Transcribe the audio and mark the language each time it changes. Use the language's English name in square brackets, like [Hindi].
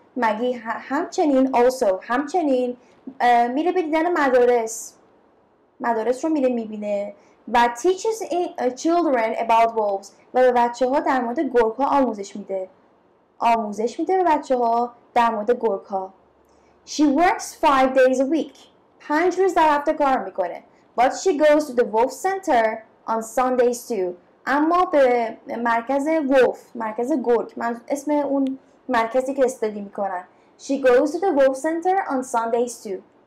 [Persian] Maggie همچنین میره به دیدن مدارس. مدارس رو میره میبینه. و [English] teaches children about wolves. [Persian] و به بچه ها در مورد گرگ ها آموزش میده. آموزش میده به بچه ها در مورد گرگ ها. [English] She works 5 days a week. [Persian] 5 روز در هفته کار میکنه. [English] But she goes to the wolf center on Sundays too. [Persian] اما به مرکز wolf, مرکز گرگ. من اسم اون مرکزی که استادی میکنن. [English] She goes to the wolf center on Sundays too.